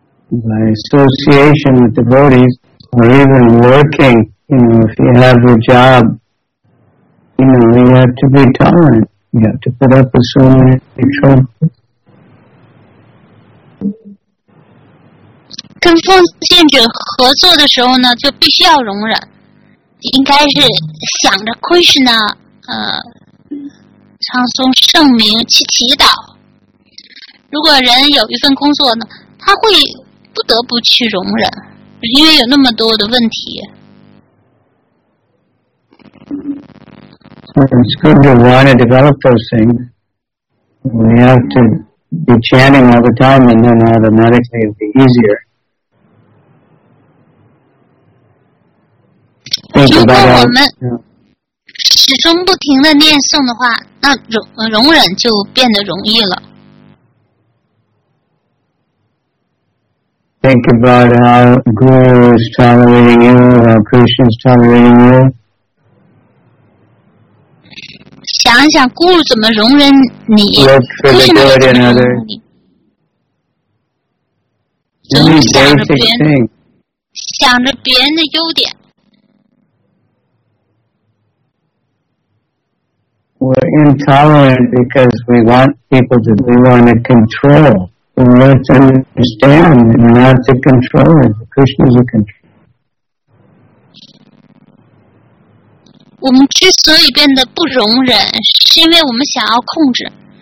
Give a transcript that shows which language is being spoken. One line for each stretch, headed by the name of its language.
English: By association with devotees, or even working, you know, if you have a job, you know, you have to be tolerant. You have to put up with so many troubles.
Chinese: 跟奉献者合作的时候呢，就必须要容忍，应该是想着 Krishna 唱诵圣名去祈祷。如果人有一份工作呢，他会不得不去容忍，因为有那么多的问题。
English: It's good to want to develop those things. We have to be chanting all the time, and then automatically it'll be easier.
Chinese: 如果我们始终不停的念诵的话，那容忍就变得容易了。
English: Think about how Guru is tolerating you, how Krishna is tolerating you.
Chinese: 想一想 Guru 怎么容忍你，为什么不容忍你？总想着别人，想着别人的优点。
English: We're intolerant because we want people to, we want to control. We want to understand and not to control it. Krishna is a control.
Chinese: 我们之所以变得不容忍，是因为我们想要控制。